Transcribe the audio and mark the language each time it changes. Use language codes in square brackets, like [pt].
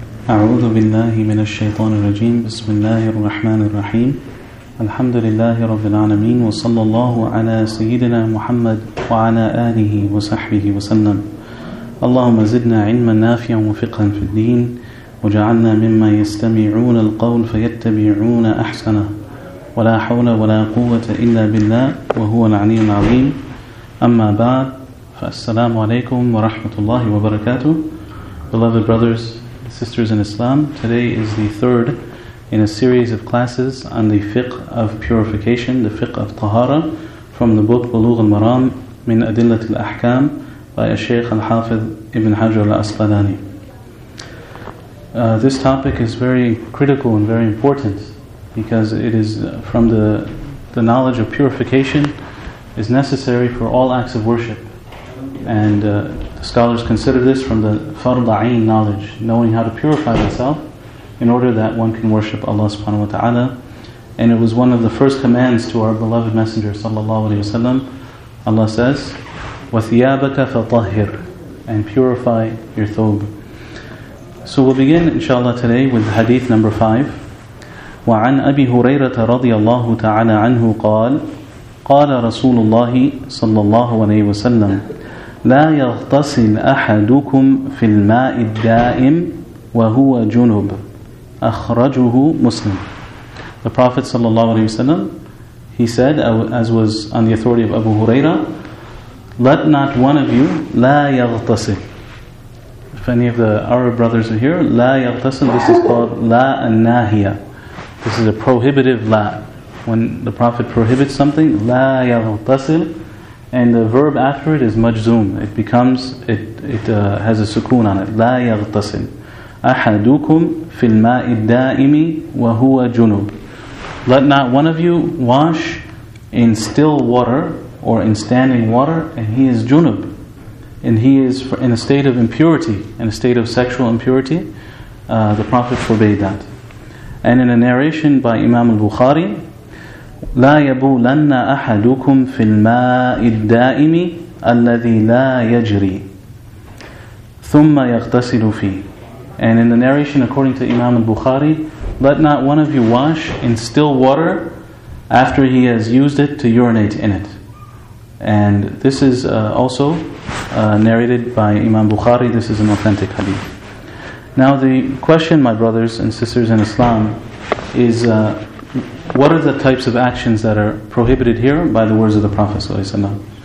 [ar] أعوذ بالله من الشيطان الرجيم بسم الله الرحمن الرحيم الحمد لله رب العالمين وصلى الله على سيدنا محمد وعلى آله وصحبه وسلم اللهم زدنا علما نافعا وفقها في الدين وجعلنا مما يستمعون القول فيتبعون أحسنه ولا حول ولا قوة إلا بالله وهو العلي العظيم أما بعد فالسلام عليكم ورحمة الله وبركاته. [en] Beloved brothers, sisters in Islam, today is the third in a series of classes on the fiqh of purification, the fiqh of tahara, from the book Bulugh al-Maram min Adillat al-Ahkam by Shaykh al-Hafidh Ibn Hajar al-Asqalani. This topic is very critical and very important because it is from the knowledge of purification is necessary for all acts of worship. And the scholars consider this from the fard ayn knowledge, knowing how to purify oneself in order that one can worship Allah subhanahu wa ta'ala. And it was one of the first commands to our beloved Messenger sallallahu alayhi wa sallam. Allah says, [ar] وَثِيَابَكَ فَطَهِّرْ, [en] and purify your thawb. So we'll begin inshallah today with hadith number 5. [ar] وَعَنْ أَبِي هُرَيْرَةَ رَضِيَ اللَّهُ تَعَالَى عَنْهُ قَالَ رَسُولُ اللَّهِ صَلَّى اللَّهُ عَلَيْهِ وَسَلَّمْ لا يغتسل أحدكم في الماء الدائم وهو جنب أخرجه مسلم. [en] The Prophet sallallahu alaihi wasallam, he said, as was on the authority of Abu Huraira, let not one of you [ar] لا يغتسل. [en] If any of the Arab brothers are here, [ar] لا يغتسل, [en] this is called لا الناهية. This is a prohibitive لا. When the Prophet prohibits something, [ar] لا يغتسل. [en] And the verb after it is majzum. It becomes, it has a sukoon on it. [ar] لا يغتسل أحدكم في الماء الدائم وهو جنوب. [en] Let not one of you wash in still water or in standing water, and he is junub. And he is in a state of impurity, in a state of sexual impurity. The Prophet forbade that. And in a narration by Imam al-Bukhari, [ar] لا يبولن أحدكم في الماء الدائم الذي لا يجري ثم يغتسل فيه. [en] And in the narration according to Imam al-Bukhari, let not one of you wash in still water after he has used it to urinate in it. And this is also narrated by Imam Bukhari. This is an authentic hadith. Now the question, my brothers and sisters in Islam, is what are the types of actions that are prohibited here by the words of the Prophet ﷺ?